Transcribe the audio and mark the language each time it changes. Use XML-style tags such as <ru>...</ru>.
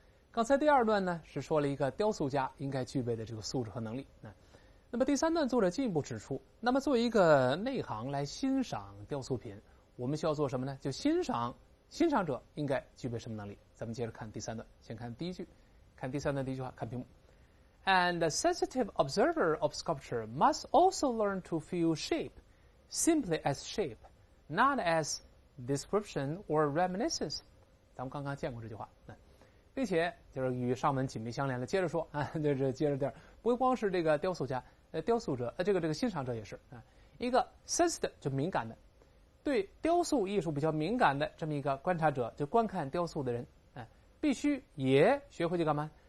<zh>刚才第二段呢，是说了一个雕塑家应该具备的这个素质和能力。那么第三段作者进一步指出，那么作为一个内行来欣赏雕塑品，我们需要做什么呢？就欣赏者应该具备什么能力？咱们接着看第三段，先看第一句，看第三段第一句话，看屏幕。</zh> <en>And a sensitive observer of sculpture must also learn to feel shape simply as shape, not as description or reminiscence.</en> <zh>咱们刚刚见过这句话，并且就是与上文紧密相连的，接着说啊，就是接着点，不光是这个雕塑家，雕塑者，这个欣赏者也是啊，一个 sensitive 就敏感的，对雕塑艺术比较敏感的这么一个观察者，就观看雕塑的人，必须也学会去干嘛？</zh>